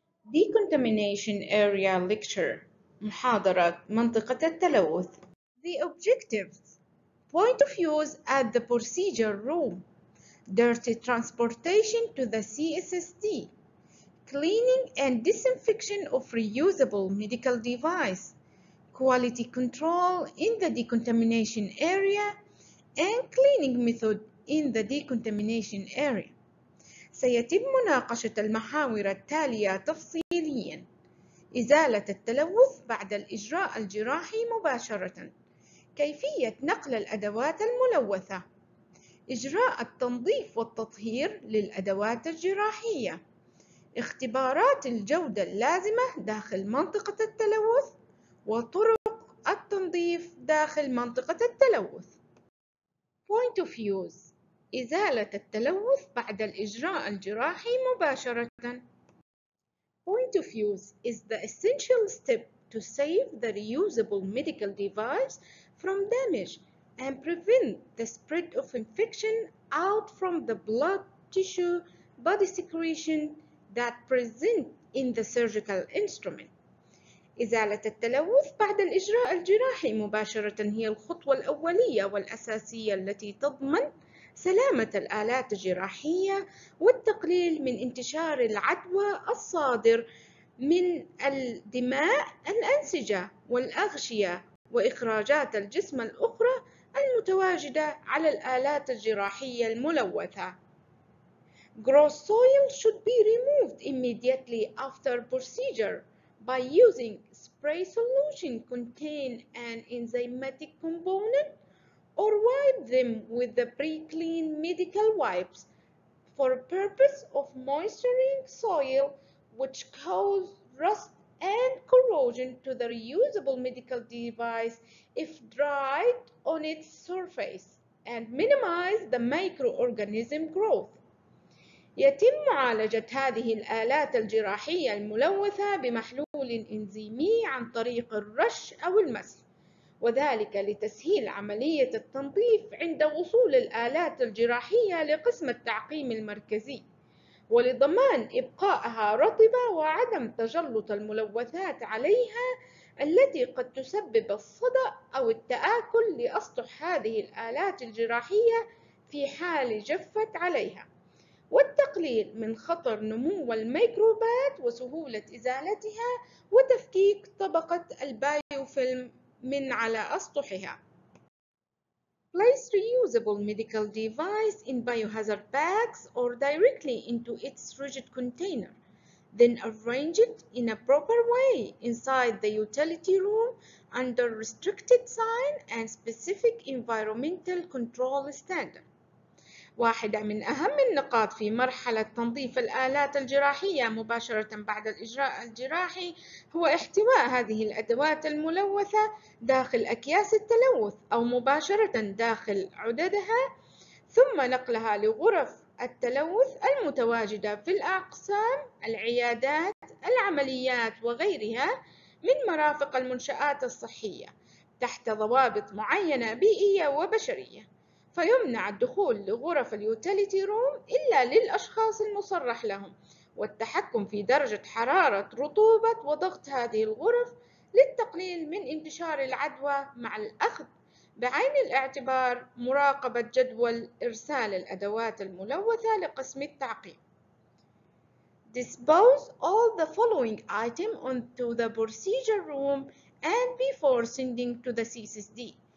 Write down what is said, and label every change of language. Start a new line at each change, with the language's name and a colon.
English: Decontamination area lecture,
Arabic: محاضرة منطقة التلوث.
English: The objectives: point of use at the procedure room, dirty transportation to the CSSD, cleaning and disinfection of reusable medical device, quality control in the decontamination area, and cleaning method in the decontamination area.
Arabic: سيتم مناقشة المحاور التالية تفصيلياً: إزالة التلوث بعد الإجراء الجراحي مباشرة، كيفية نقل الأدوات الملوثة، إجراء التنظيف والتطهير للأدوات الجراحية، اختبارات الجودة اللازمة داخل منطقة التلوث، وطرق التنظيف داخل منطقة التلوث.
English: Point of use:
Arabic: إزالة التلوث بعد الإجراء الجراحي مباشرة.
English: Point of use is the essential step to save the reusable medical device from damage and prevent the spread of infection out from the blood, tissue, body secretion that present in the surgical instrument.
Arabic: إزالة التلوث بعد الإجراء الجراحي مباشرة هي الخطوة الأولية والأساسية التي تضمن سلامة الآلات الجراحية والتقليل من انتشار العدوى الصادر من الدماء، الأنسجة والأغشية وإخراجات الجسم الأخرى المتواجدة على الآلات الجراحية الملوثة.
English: Gross soil should be removed immediately after procedure by using spray solution contain an enzymatic component or wipe them with the pre-clean medical wipes for purpose of moisturizing soil which cause rust and corrosion to the reusable medical device if dried on its surface and minimize the microorganism growth.
Arabic: يتم معالجة هذه الآلات الجراحية الملوثة بمحلول إنزيمي عن طريق الرش أو المسح، وذلك لتسهيل عملية التنظيف عند وصول الآلات الجراحية لقسم التعقيم المركزي، ولضمان إبقائها رطبة وعدم تجلط الملوثات عليها التي قد تسبب الصدأ أو التآكل لأسطح هذه الآلات الجراحية في حال جفت عليها، والتقليل من خطر نمو الميكروبات وسهولة إزالتها وتفكيك طبقة البايوفيلم من على أسطحها.
English: Place reusable medical device in biohazard bags or directly into its rigid container. Then arrange it in a proper way inside the utility room under restricted sign and specific environmental control standard.
Arabic: واحدة من أهم النقاط في مرحلة تنظيف الآلات الجراحية مباشرة بعد الإجراء الجراحي هو احتواء هذه الأدوات الملوثة داخل أكياس التلوث أو مباشرة داخل عددها، ثم نقلها لغرف التلوث المتواجدة في الأقسام، العيادات، العمليات وغيرها من مرافق المنشآت الصحية تحت ضوابط معينة بيئية وبشرية. فيمنع الدخول لغرف اليوتيليتي روم إلا للأشخاص المصرح لهم، والتحكم في درجة حرارة، رطوبة وضغط هذه الغرف للتقليل من انتشار العدوى، مع الأخذ بعين الاعتبار مراقبة جدول إرسال الأدوات الملوثة لقسم التعقيم.
English: Dispose all the following item onto the procedure room and before sending to the CSSD.